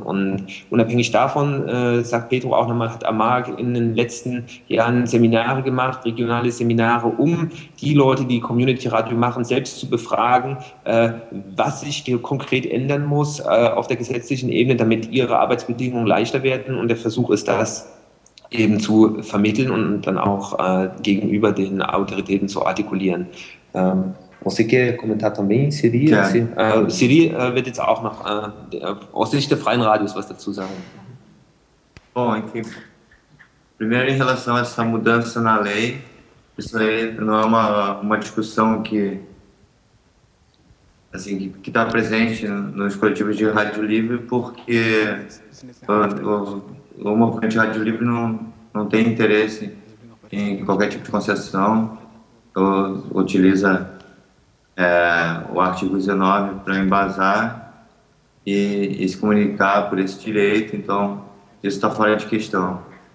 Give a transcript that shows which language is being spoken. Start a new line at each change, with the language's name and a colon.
German: Und unabhängig davon, sagt Pedro auch nochmal, hat AMARC in den letzten Jahren Seminare gemacht, regionale Seminare, um die Leute, die Community Radio machen, selbst zu befragen, was sich konkret ändern muss auf der gesetzlichen Ebene, damit ihre Arbeitsbedingungen leichter werden. Und der Versuch ist, das eben zu vermitteln und dann auch gegenüber den Autoritäten zu artikulieren.
Portuguese: Você quer comentar também, Siri?
German: Siri wird jetzt auch noch aus Sicht der freien Radios was dazu sagen.
Portuguese: Bom, enfim. Primeiro, em relação a essa mudança na lei, isso aí não é uma discussão que está presente nos coletivos de rádio livre, porque o movimento de rádio livre não tem interesse em qualquer tipo de concessão, ou utiliza o artigo 19 para embasar e se comunicar por esse direito, então isso está fora de questão.